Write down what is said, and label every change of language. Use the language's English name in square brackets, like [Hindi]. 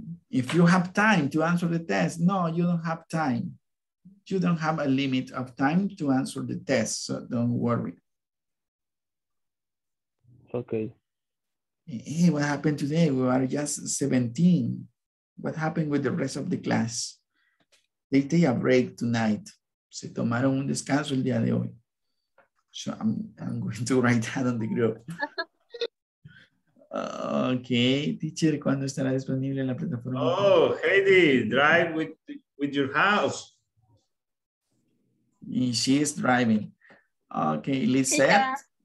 [English] If you have time to answer the test, no, you don't have time. You don't have a limit of time to answer the test, so don't worry. Okay. Hey, what happened today? We are just 17. What happened with the rest of the class? They take a break tonight. [Spanish] Se tomaron un descanso el día de hoy. [English] So I'm going to write that on the group. Okay, teacher, [Spanish] ¿cuándo estará disponible en la plataforma? [English] Oh, Heidi, drive with your house. And she is driving. Okay, Lizette.